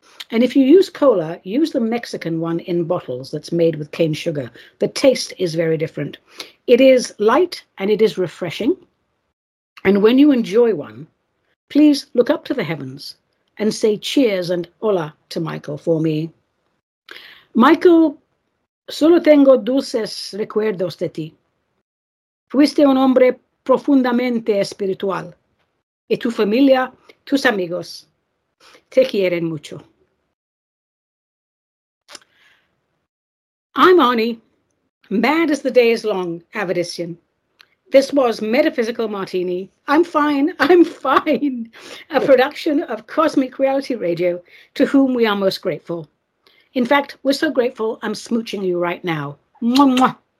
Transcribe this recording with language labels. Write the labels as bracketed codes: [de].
[en] And if you use cola, use the Mexican one in bottles that's made with cane sugar. The taste is very different. It is light and it is refreshing. And when you enjoy one, please look up to the heavens and say cheers and hola to Michael for me. [es] Michael, solo tengo dulces recuerdos de ti. Fuiste un hombre profundamente espiritual. Y tu familia, tus amigos, te quieren mucho. [en] I'm Arnie, mad as the day is long, Avedisian. This was Metaphysical Martini. I'm fine. A production of Cosmic Reality Radio, to whom we are most grateful. In fact, we're so grateful, I'm smooching you right now. Mwah, mwah.